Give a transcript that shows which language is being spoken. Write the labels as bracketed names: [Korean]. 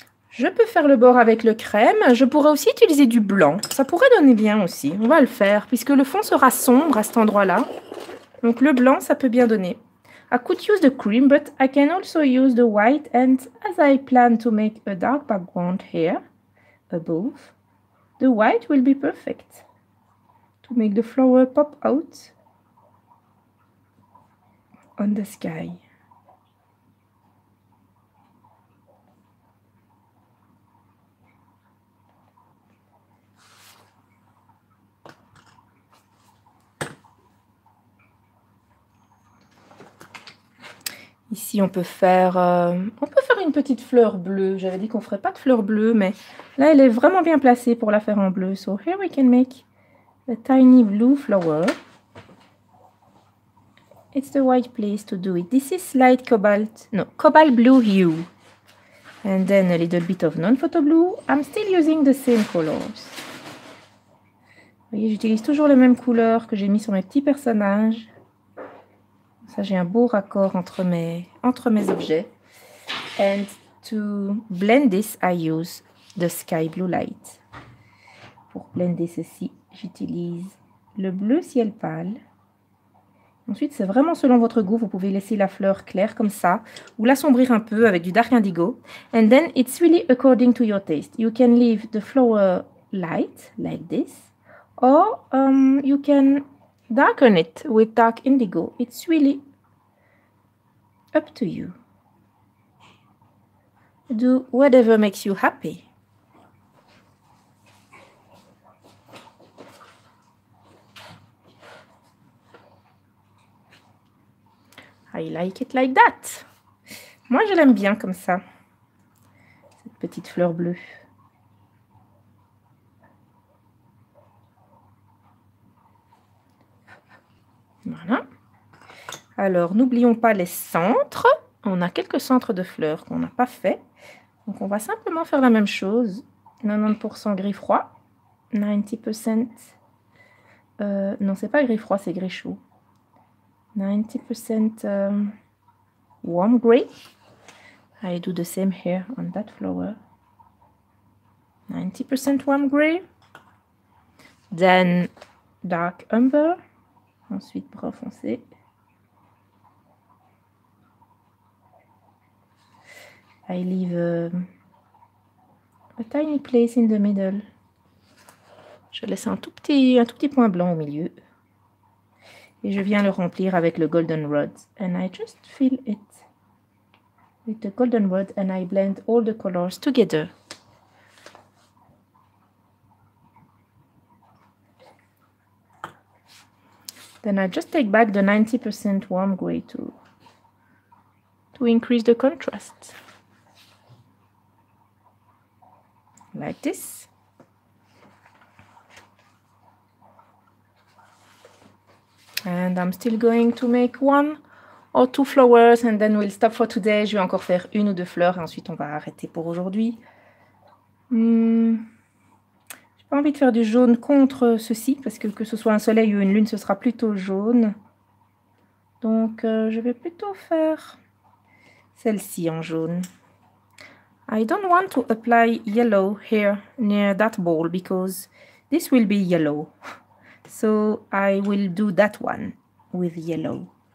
[French] Je peux faire le bord avec le crème. Je pourrais aussi utiliser du blanc. Ça pourrait donner bien aussi. On va le faire puisque le fond sera sombre à cet endroit-là. Donc le blanc, ça peut bien donner. [English] I could use the cream, but I can also use the white. And as I plan to make a dark background here, above, the white will be perfect to make the flower pop out on the sky. [French] Ici, on peut faire une petite fleur bleue. J'avais dit qu'on ferait pas de fleur bleue, mais là, elle est vraiment bien placée pour la faire en bleu. [English] So here we can make a tiny blue flower. It's the right place to do it. This is light cobalt, no, cobalt blue hue. And then a little bit of non-photo blue. I'm still using the same colors. [French] Vous voyez, j'utilise toujours les mêmes couleurs que j'ai mis sur mes petits personnages. Ça, j'ai un beau raccord entre mes objets. [English] And to blend this, I use the sky blue light. [French] Pour blender ceci, j'utilise le bleu ciel pâle. Ensuite, c'est vraiment selon votre goût. Vous pouvez laisser la fleur claire comme ça ou l'assombrir un peu avec du dark indigo. [English] And then it's really according to your taste. You can leave the flower light like this or you can darken it with dark indigo. It's really up to you. Do whatever makes you happy. I like it like that. [French] Moi, je l'aime bien comme ça, cette petite fleur bleue. Voilà. Alors, n'oublions pas les centres. On a quelques centres de fleurs qu'on n'a pas fait. Donc, on va simplement faire la même chose. 90% gris froid. 90%. Non, c'est pas gris froid, c'est gris chaud. [English] 90% warm gray. I do the same here on that flower. 90% warm gray. Then, dark umber. [French] Ensuite, brun foncé. [English] I leave a tiny place in the middle. [French] Je laisse un tout petit point blanc au milieu. Et je viens le remplir avec le golden rod. [English] And I just fill it with the golden rod and I blend all the colors together. Then I just take back the 90% warm gray to increase the contrast. Like this. And I'm still going to make one or two flowers and then we'll stop for today. [French] Je vais encore faire une ou deux fleurs et ensuite on va arrêter pour aujourd'hui. J'ai pas envie de faire du jaune contre ceci parce que ce soit un soleil ou une lune, ce sera plutôt jaune. Donc, je vais plutôt faire celle-ci en jaune. [English] I don't want to apply yellow here near that ball because this will be yellow. So, I will do that one with yellow.